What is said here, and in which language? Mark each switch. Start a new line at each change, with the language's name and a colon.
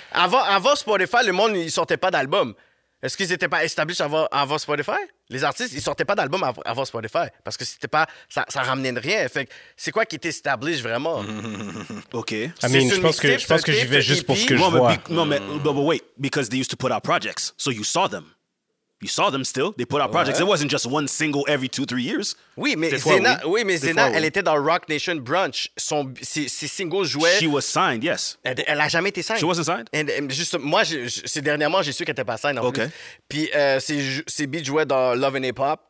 French: Avant Spotify, le monde, ils sortaient pas d'album. Est-ce qu'ils étaient pas established avant Spotify? Les artistes, ils sortaient pas d'album avant Spotify, parce que c'était pas, ça ramenait de rien. Fait que c'est quoi qui était established vraiment? OK.
English: I mean,
French: je pense que j'y vais juste pour ce que je vois. Non, mais,
English: but wait, because they used to put out projects, so you saw them. You saw them still. They put out projects. Ouais. It wasn't just one single every 2-3 years.
French: Oui, mais Zayna, elle était dans Rock Nation Brunch. Ses singles jouaient.
English: She was signed, yes.
French: Elle a jamais été signed.
English: She wasn't signed?
French: And juste, moi, c'est dernièrement, j'ai su qu'elle n'était pas signed. En
English: OK.
French: Plus. Puis ses beats jouaient dans Love and Hip Hop.